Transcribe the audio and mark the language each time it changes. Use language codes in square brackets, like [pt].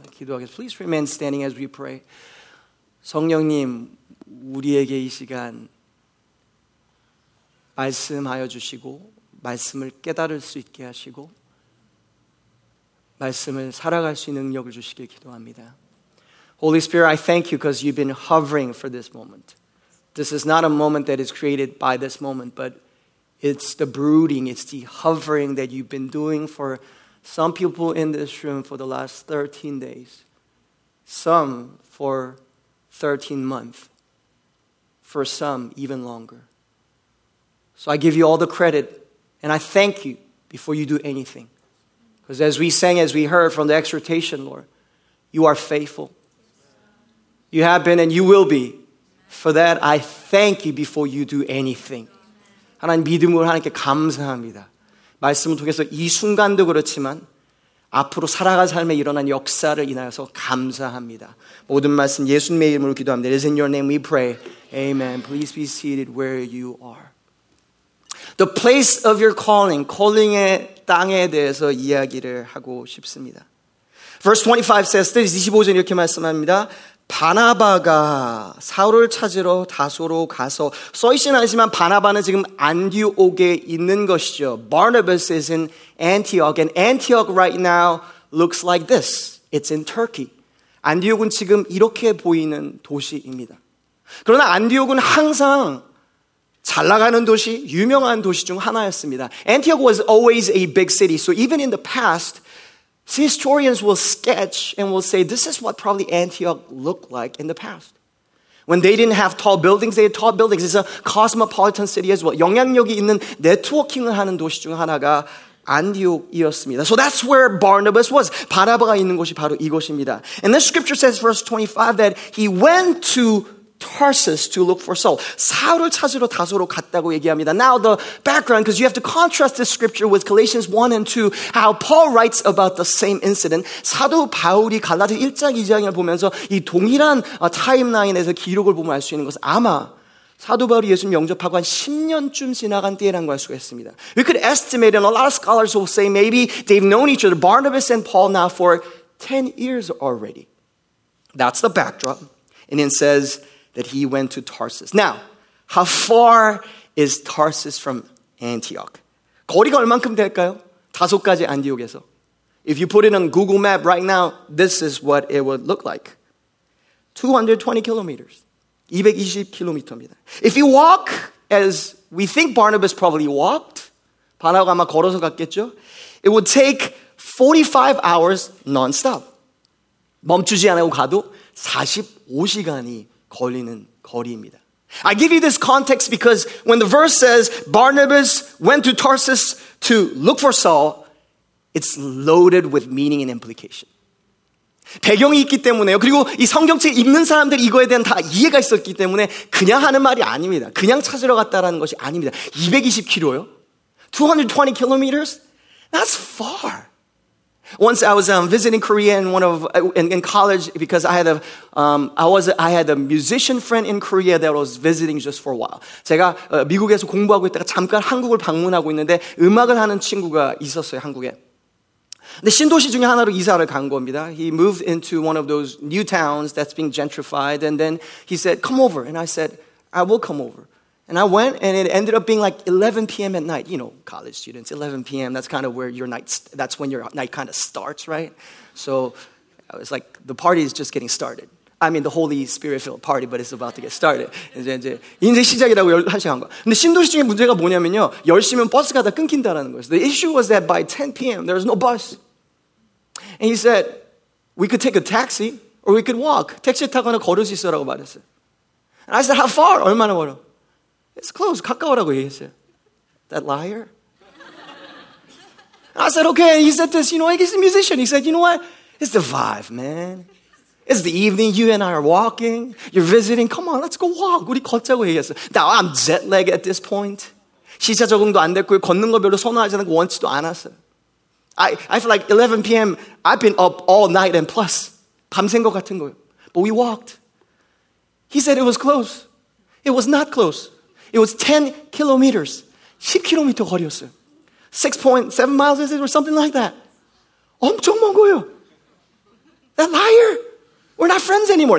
[ko] 기도하겠습니다. [en] Please remain standing as we pray. [ko] 성령님, 우리에게 이 시간 말씀하여 주시고 말씀을 깨달을 수 있게 하시고 말씀을 살아갈 수 있는 능력을 주시길 기도합니다. [en] Holy Spirit, I thank you because you've been hovering for this moment. This is not a moment that is created by this moment, but it's the brooding, it's the hovering that you've been doing for some people in this room for the last 13 days, some for 13 months, for some even longer. So I give you all the credit, and I thank you before you do anything. Because as we sang, as we heard from the exhortation, Lord, you are faithful. You have been and you will be. For that, I thank you before you do anything. [ko] 하나님 믿음으로 하나님께 감사합니다. 말씀을 통해서 이 순간도 그렇지만 앞으로 살아갈 삶에 일어난 역사를 인하여서 감사합니다. 모든 말씀 예수님의 이름으로 기도합니다. [en] It is in your name we pray. Amen. Please be seated where you are. The place of your calling, calling [ko] 의 땅에 대해서 이야기를 하고 싶습니다. [en] Verse 25 says, [ko] 25절 이렇게 말씀합니다. 바나바가 사울을 찾으러 다소로 가서 써있진 않지만 바나바는 지금 안디옥에 있는 것이죠. [en] Barnabas is in Antioch and Antioch right now looks like this. It's in Turkey. [ko] 안디옥은 지금 이렇게 보이는 도시입니다. 그러나 안디옥은 항상 잘 나가는 도시, 유명한 도시 중 하나였습니다. [en] Antioch was always a big city. So even in the past, historians will sketch and will say, this is what probably Antioch looked like in the past. When they didn't have tall buildings, they had tall buildings. It's a cosmopolitan city as well. [ko] 영향력이 있는 네트워킹을 하는 도시 중 하나가 안디옥이었습니다. [en] So that's where Barnabas was. [ko] 바나바가 있는 곳이 바로 이곳입니다. [en] And the scripture says, verse 25, that he went to Tarsus to look for Saul. [ko] 사울을 찾으러 다소로 갔다고 얘기합니다. [en] Now the background, because you have to contrast this scripture with Galatians 1 and 2, how Paul writes about the same incident. [ko] 사도 바울이 갈라디아 1장, 2장을 보면서 이 동일한 타임라인에서 기록을 보면 알 수 있는 것은 아마 사도 바울이 예수님 영접하고 한 10년쯤 지나간 때라는 걸 알 수가 있습니다. [en] We could estimate, and a lot of scholars will say maybe they've known each other, Barnabas and Paul now for 10 years already. That's the backdrop. And it says that he went to Tarsus. Now, how far is Tarsus from Antioch? [ko] 거리가 얼만큼 될까요? 다소까지 안디옥에서. [en] If you put it on Google Map right now, this is what it would look like. 220 kilometers. 220 kilometers입니다. If you walk, as we think Barnabas probably walked, [ko] 바나바가 아마 걸어서 갔겠죠? [en] It would take 45 hours non-stop. [ko] 멈추지 않고 가도 45시간이 걸리는 거리입니다. [en] I give you this context because when the verse says Barnabas went to Tarsus to look for Saul, it's loaded with meaning and implication. [ko] 배경이 있기 때문에요. 그리고 이 성경책 읽는 사람들 이거에 대한 다 이해가 있었기 때문에 그냥 하는 말이 아닙니다. 그냥 찾으러 갔다라는 것이 아닙니다. [en] 220km요? 220 kilometers? That's far. Once I was visiting Korea in one of in college because I had a musician friend in Korea that was visiting just for a while. [ko] 제가 미국에서 공부하고 있다가 잠깐 한국을 방문하고 있는데 음악을 하는 친구가 있었어요, 한국에. 근데 신도시 중에 하나로 이사를 간 겁니다. [en] He moved into one of those new towns that's being gentrified. And then he said, come over. And I said, I will come over. And I went, and it ended up being like 11 p.m. at night. You know, college students, 11 p.m., that's kind of where your night, that's when your night kind of starts, right? So I was like, the party is just getting started. I mean, the Holy Spirit-filled party, but it's about to get started. [ko] 이제 시작이라고 한시간 한 거. 근데 신도시 중에 문제가 뭐냐면요. 10시면 버스가 다 끊긴다라는 거예요. [en] The issue was that by 10 p.m., there was no bus. And he said, we could take a taxi, or we could walk. [ko] 택시 타거나 걸을 수 있어라고 말했어요. [en] And I said, how far? [ko] 얼마나 걸어? [en] It's close. [ko] 가까워라고 얘기했어요. [en] That liar? I said, okay. And he said this, you know, he's a musician. He said, you know what? It's the vibe, man. It's the evening, you and I are walking, you're visiting, come on, let's go walk. [ko] 우리 걷자고 얘기했어. [en] Now, I'm jet lag at this point. [ko] 시차 적응도 안 됐고, 걷는 거 별로 선호하지 않고 원치도 않았어. [en] I feel like 11 p.m., I've been up all night and plus, [ko] 밤샌 것 같은 거예요. [en] But we walked. He said it was close. It was not close. It was 10 kilometers. [ko] 10km 거리였어요. [en] 6.7 miles is it or something like that. [ko] 엄청 먼 거예요. [en] That liar. We're not friends anymore.